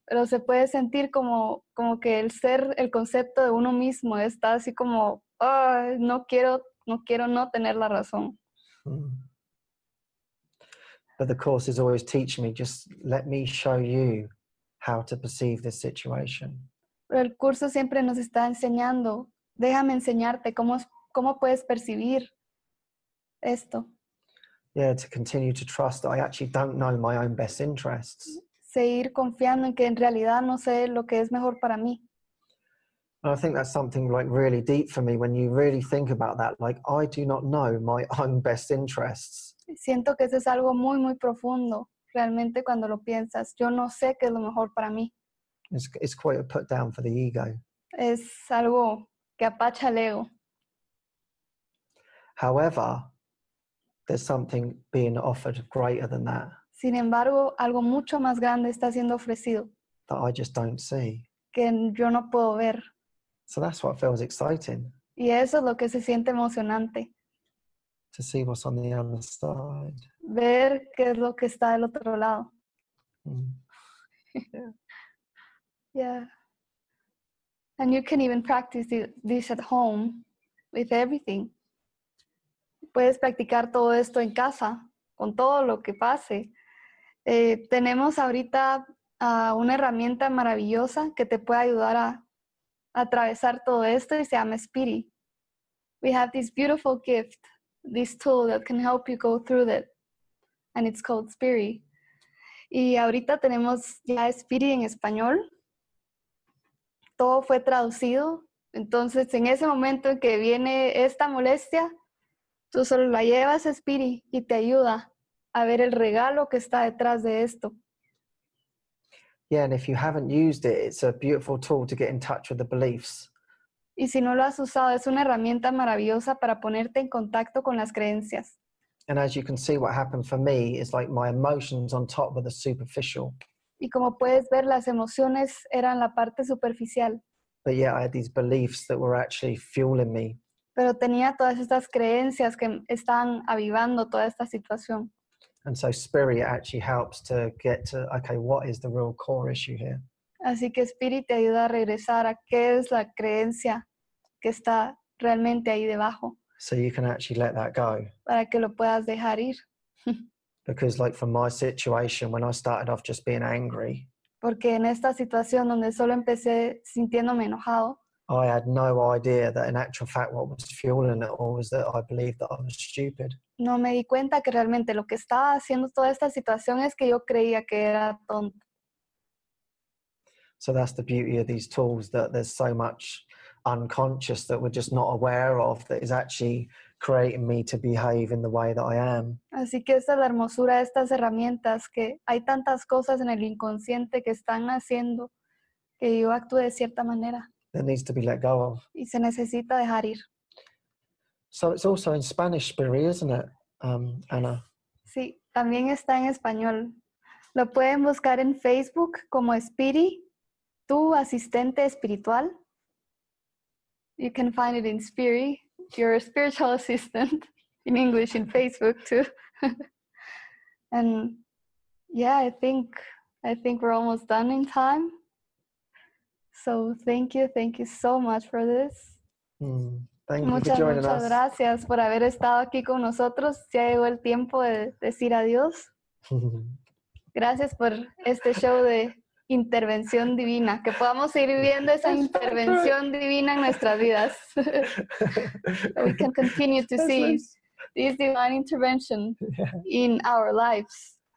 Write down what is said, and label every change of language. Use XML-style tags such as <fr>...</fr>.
<es>Pero se puede sentir como que el ser, el concepto de uno mismo está así como no quiero no tener la razón.</es> <en>But the course is always teaching me, just let me show you how to perceive this situation.</en> <es>Pero el curso siempre nos está enseñando, déjame enseñarte cómo puedes percibir esto.</es> <en>Yeah, to continue to trust that I actually don't know my own best interests.</en> <es>Seguir confiando en que en realidad no sé lo que es mejor para mí.</es> <en>And I think that's something like really deep for me when you really think about that. Like, I do not know my own best interests.</en> <es>Siento que eso es algo muy, muy profundo realmente cuando lo piensas. Yo no sé qué es lo mejor para mí.</es> <en>It's quite a put down for the ego.</en> <es>Es algo que apacha el ego.</es> <en>However, there's something being offered greater than that.</en> <es>Sin embargo, algo mucho más grande está siendo ofrecido.</es> <en>That I just don't see.</en> <es>Que yo no puedo ver.</es> <en>So that's what feels exciting.</en> <es>Y eso es lo que se siente emocionante.</es> <en>To see what's on the other side.</en> <es>Ver qué es lo que está del otro lado.</es> <en>Yeah. And you can even practice this at home with everything.</en> <es>Puedes practicar todo esto en casa, con todo lo que pase. Tenemos ahorita una herramienta maravillosa que te puede ayudar a atravesar todo esto y se llama Spirit.</es> <en>We have this beautiful gift, this tool that can help you go through it, and it's called Spirit.</en> <es>Y ahorita tenemos ya Spirit en español. Todo fue traducido. Entonces, en ese momento en que viene esta molestia, tú solo la llevas a Spirit y te ayuda a ver el regalo que está detrás de esto.</es> <en>Yeah, and if you haven't used it, it's a beautiful tool to get in touch with the beliefs.</en> <es>Y si no lo has usado, es una herramienta maravillosa para ponerte en contacto con las creencias.</es> <en>And as you can see, what happened for me is like my emotions on top of the superficial.</en> <es>Y como puedes ver, las emociones eran la parte superficial.</es> <en>But yeah, I had these beliefs that were actually fueling me.</en> <es>Pero tenía todas estas creencias que están avivando toda esta situación.</es> <en>And so Spirit actually helps to get to, okay, what is the real core issue here?</en> <es>Así que Spirit te ayuda a regresar a qué es la creencia que está realmente ahí debajo.</es> <en>So you can actually let that go.</en> <es>Para que lo puedas dejar ir.</es> <en>Because like from my situation, when I started off just being angry.</en> <es>Porque en esta situación donde solo empecé sintiéndome enojado.</es> <en>I had no idea that in actual fact what was fueling it all was that I believed that I was stupid.</en> <es>No me di cuenta que realmente lo que estaba haciendo toda esta situación es que yo creía que era tonto.</es> <en>So that's the beauty of these tools, that there's so much unconscious that we're just not aware of that is actually creating me to behave in the way that I am.</en> <es>Así que esa es la hermosura de estas herramientas, que hay tantas cosas en el inconsciente que están haciendo que yo actúe de cierta manera.</es> <en>That needs to be let go of.</en> <es>Y se necesita dejar ir.</es> <en>So it's also in Spanish, Spiri, isn't it, Anna?</en> <es>Sí, también está en español. Lo pueden buscar en Facebook como Spiri, tu asistente espiritual.</es> <en>You can find it in Spiri, your spiritual assistant, in English, in Facebook too. And yeah, I think we're almost done in time. So thank you so much for this. Thank you for joining us.</en> <es>Muchas gracias por haber estado aquí con nosotros. Ya llegó el tiempo de decir adiós. Gracias por este show de intervención divina. Que podamos seguir viendo esa intervención divina en nuestras vidas.</es> <en>We can continue to see this divine intervention in our lives.</en>